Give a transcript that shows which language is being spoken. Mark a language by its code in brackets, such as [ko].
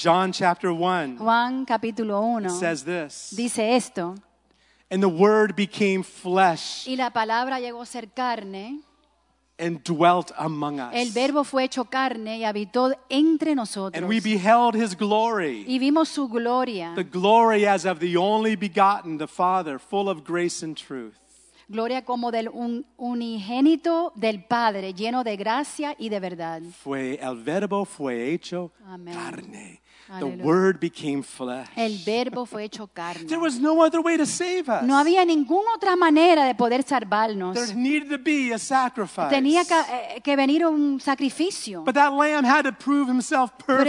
[en] John chapter 1. [es] Juan capítulo 1. [en] Says this. [es] Dice esto. [en] And the word became flesh. [es] Y la palabra llegó a ser carne. [en] And dwelt among us. [es] El verbo fue hecho carne y habitó entre nosotros. [en] And we beheld his glory. [es] Y vimos su gloria. [en] The glory as of the only begotten, the Father, full of grace and truth. [es] Gloria como del unigénito del Padre, lleno de gracia y de verdad. Fue el verbo fue hecho Amen. Carne. The Aleluya. [en] Word became flesh. [es] El verbo fue hecho carne. [en] There was no other way to save us. [es] No había ninguna otra manera de poder salvarnos. [en] There needed to be a sacrifice. [es] Tenía que venir un sacrificio. [en] But that lamb had to prove himself perfect.